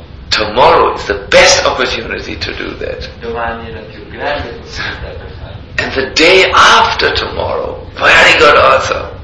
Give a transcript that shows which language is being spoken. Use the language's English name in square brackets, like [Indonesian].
[English] Tomorrow is the best opportunity to do that. [Italian] Domani è la più grande possibilità per farlo. [English] And the day after tomorrow, very good also.